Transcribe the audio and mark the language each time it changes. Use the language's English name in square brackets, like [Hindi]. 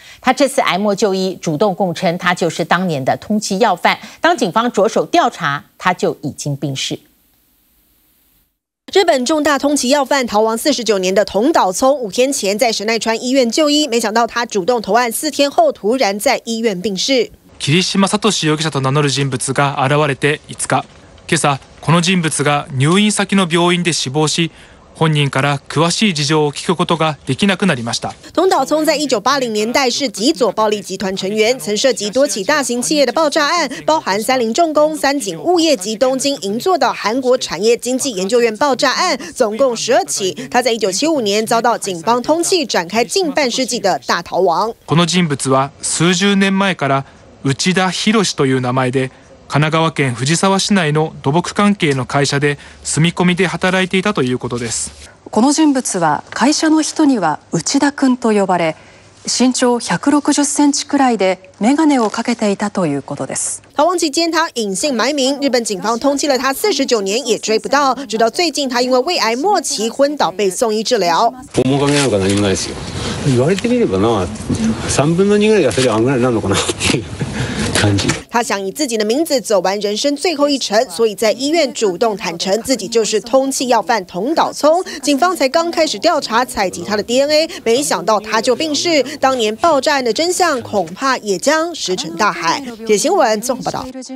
[Chinese] 他这次挨莫就医，主动供称他就是当年的通缉要犯，当警方着手调查，他就已经病逝。日本重大通缉要犯逃亡49年的桐岛聪，5天前在神奈川医院就医，没想到他主动投案4天后，突然在医院病逝。 [Japanese] 桐島聡容疑者と名乗る人物が現れて5日、今朝この人物が入院先の病院で死亡し、本人から詳しい事情を聞くことができなくなりました。 [Chinese] 桐島聡在1980年代是极左暴力集团成员，曾涉及多起大型企业的爆炸案，包含三菱重工、三井物业及东京银座的韩国产业经济研究院爆炸案，总共12起。他在1975年遭到警方通缉，展开近半世纪的大逃亡。 [Japanese] この人物は数十年前から内田博史という名前で神奈川県藤沢市内の土木関係の会社で住み込みで働いていたということです。この人物は会社の人には内田君と呼ばれ、身長160センチくらいで眼鏡をかけていたということです。 [Chinese] 逃亡期间他隐姓埋名，日本警方通缉了他49年也追不到，直到最近他因为胃癌末期昏倒被送医治疗。 [Japanese] 面影なのか何もないですよ。言われてみればな、3分の2ぐらい痩せりゃあんぐらいなのかなっていう感じ。 [Chinese] 他想以自己的名字走完人生最后一程，所以在医院主动坦诚自己就是通缉要犯同岛聪。警方才刚开始调查采集他的 DNA， 没想到他就病逝。当年爆炸案的真相恐怕也将石沉大海。野新闻综合报道。